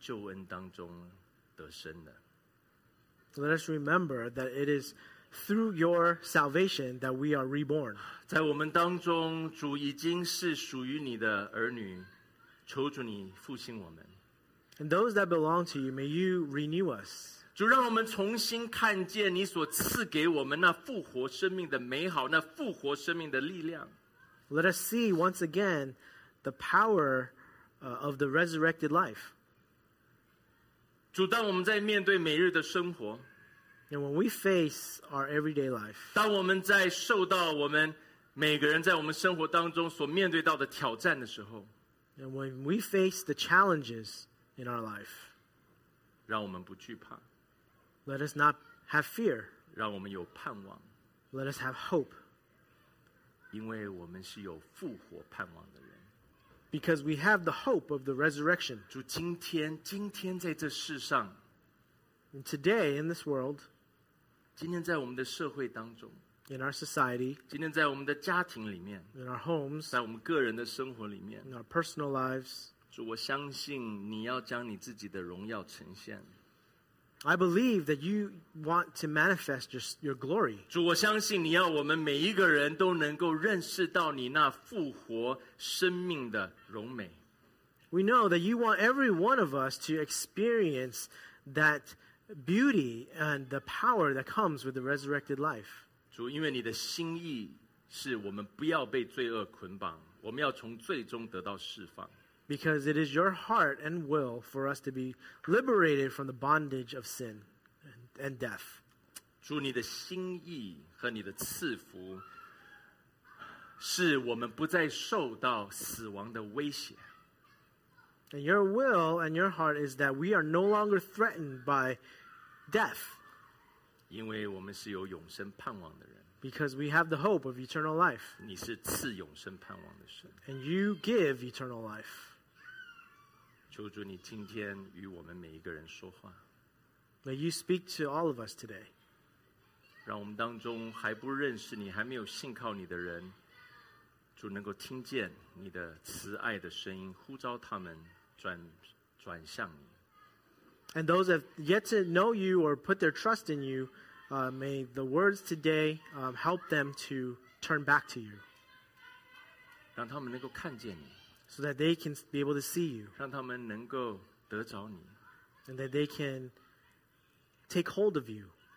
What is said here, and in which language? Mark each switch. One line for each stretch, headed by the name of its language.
Chinese: 让我们记得我们是从你的救恩当中得生的。
English: Let us remember that it is through your salvation that we are reborn.
Chinese: 在我们当中, 主已经是属于你的儿女, 求主你复兴我们。
English: And those that belong to you, may you renew us.
Chinese: 主，让我们重新看见你所赐给我们那复活生命的美好，那复活生命的力量。
English: Let us see once again the power of the resurrected life.
Chinese: 主，当我们在面对每日的生活，
English: and when we face our everyday life,
Chinese: 当我们在受到我们每个人在我们生活当中所面对到的挑战的时候，
English: and when we face the challenges in our life,
Chinese: 让我们不惧怕。
English: Let us not have fear.
Chinese: 让我们有盼望。
English: Let us have hope.
Chinese: 因为我们是有复活盼望的人。
English: Because we have the hope of the resurrection.
Chinese: 主，今天在这世上。
English: And today in this world.
Chinese: 今天在我们的社会当中。
English: In our society.
Chinese: 今天在我们的家庭里面。
English: In our homes.
Chinese: 在我们个人的生活里面。
English: In our personal lives.
Chinese: 主，我相信你要将你自己的荣耀呈现。
English: I believe that you want to manifest your glory.
Chinese: 主，我相信你要我们每一个人都能够认识到你那复活生命的荣美。
English: We know that you want every one of us to experience that beauty and the power that comes with the resurrected life.
Chinese: 主，因为你的心意是我们不要被罪恶捆绑，我们要从罪中得到释放。
English: Because it is your heart and will for us to be liberated from the bondage of sin and death.
Chinese: 主，你的心意和你的赐福是我们不再受到死亡的威胁。
English: And your will and your heart is that we are no longer threatened by death.
Chinese: 因为我们是有永生盼望的人。
English: Because we have the hope of eternal life.
Chinese: 你是赐永生盼望的神。
English: And you give eternal life.
Chinese: 求主你今天与我们每一个人说话。
English: May you speak to all of us today.
Chinese: 让我们当中还不认识你，还没有信靠你的人，主能够听见你的慈爱的声音，呼召他们转向你。
English: And those that have yet to know you or put their trust in you, may the words today help them to turn back to you.
Chinese: 让他们能够看见你。
English: So that they can be able to see you.
Chinese: 让他们能够得着你。
English: And that they can take hold of you.